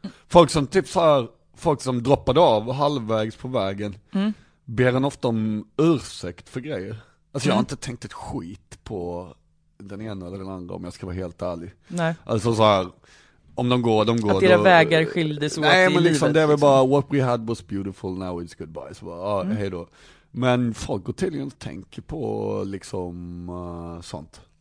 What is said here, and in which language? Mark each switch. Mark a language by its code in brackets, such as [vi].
[sv] Folk som typ så här, folk som droppade av halvvägs på vägen ber en ofta om ursäkt för grejer. Alltså jag har inte tänkt ett skit på den ena eller den andra, om jag ska vara helt ärlig. Nej. Alltså så här, om de går. Att era vägar skildes åt i livet. Nej, men liksom det är väl bara [en] what we had was beautiful, now it's goodbye. [sv] Så bara, hej då. Men folk går till och tänker på liksom sånt.